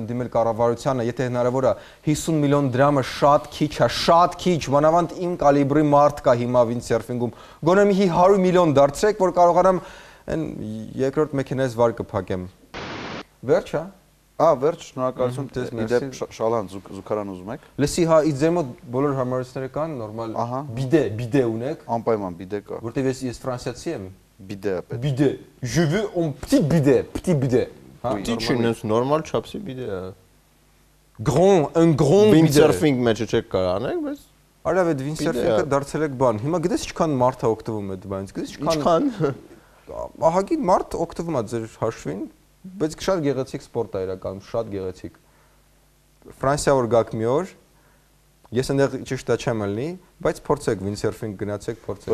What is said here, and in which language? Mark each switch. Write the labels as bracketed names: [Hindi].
[Armenian] Միանշանակ։ Մի քիչ, հա, ի դեպ ձեր այս գեղեցիկ առիթը օգտագործելով ուզում եմ դիմել կառավարությանը, եթե հնարավոր է 50 միլիոն դրամը շատ քիչ է, շատ քիչ, մանավանդ իմ կալիբրի մարդ կա հիմա վինդսերֆինգում, գոնե մի 100 միլիոն դարձրեք, որ կարողանամ այն երկրորդ մեքենայից վարկը փակեմ։ Վերջ է։ Ահա, վերջ, շնորհակալություն, դեզ մերսի։ Իդեպ Շալան, զուգարան ուզում եք։ Լսի, հա, ի ձեր մոտ բոլոր հարմարությունները կան, նորմալ բիդե, բիդե ունեք։ Անպայման բիդե կա։ Որտեվ ես ֆրանսիացի եմ։ Բիդե է պետք։ [French] Բիդե, je veux un petit bidet, petit bidet։ [Armenian] Հա, ի՞նչ ունես, նորմալ չափսի բիդե է։ [French] Grand, un grand bidet։ [Armenian] Windsurfing մեջ չեք կարող անել, բայց արդյոք այդ windsurfing-ը դարձել եք բան։ Հիմա գիտես ինչքան մարդ է օգտվում այդ բանից, գիտես ինչքան։ Ահագին մարդ օգտվում է ձեր հաշվին։ Բայց շատ գեղեցիկ սպորտ է իրականում, շատ գեղեցիկ։ Ֆրանսիա որ գաք մի օր, ես այնտեղ ճիշտ չեմ ելնի, բայց փորձեք վինդսերֆինգ գնացեք, փորձեք։